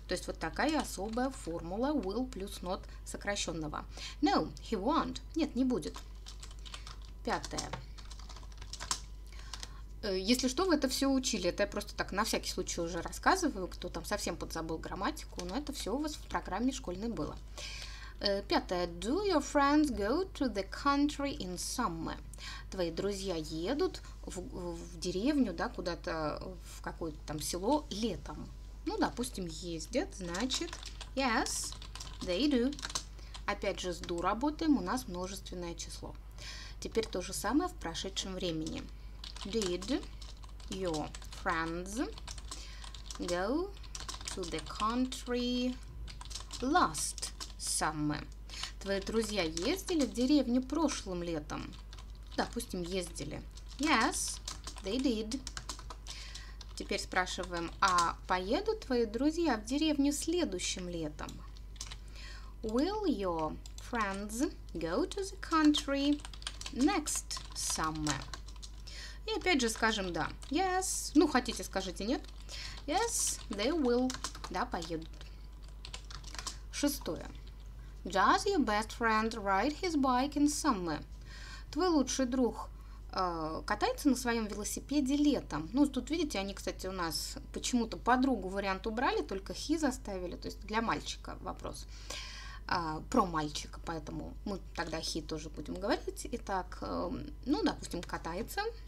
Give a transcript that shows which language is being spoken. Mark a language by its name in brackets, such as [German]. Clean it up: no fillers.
[Russian] То есть вот такая особая формула will плюс not сокращенного. [English] No, he won't. [Russian] Нет, не будет. Пятое. Если что, вы это все учили, это я просто так на всякий случай уже рассказываю, кто там совсем подзабыл грамматику, но это все у вас в программе школьной было. Пятое. [English] Do your friends go to the country in summer? [Russian] Твои друзья едут в деревню, да, куда-то в какое-то там село летом. Ну, допустим, ездят, значит, [English] yes, they do. [Russian] Опять же, с do работаем, у нас множественное число. Теперь то же самое в прошедшем времени. [English] Did your friends go to the country last summer? [Russian] Твои друзья ездили в деревню прошлым летом? Допустим, ездили. [English] Yes, they did. [Russian] Теперь спрашиваем, а поедут твои друзья в деревню следующим летом? [English] Will your friends go to the country next summer? [Russian] И опять же скажем да. [English] Yes. [Russian] Ну, хотите, скажите нет. [English] Yes, they will. [Russian] Да, поедут. Шестое. [English] Does your best friend ride his bike in summer? [Russian] Твой лучший друг катается на своем велосипеде летом. Ну, тут, видите, они, кстати, у нас почему-то подругу вариант убрали, только he заставили. То есть для мальчика вопрос. Про мальчика, поэтому мы тогда he тоже будем говорить. Итак, ну, допустим, катается.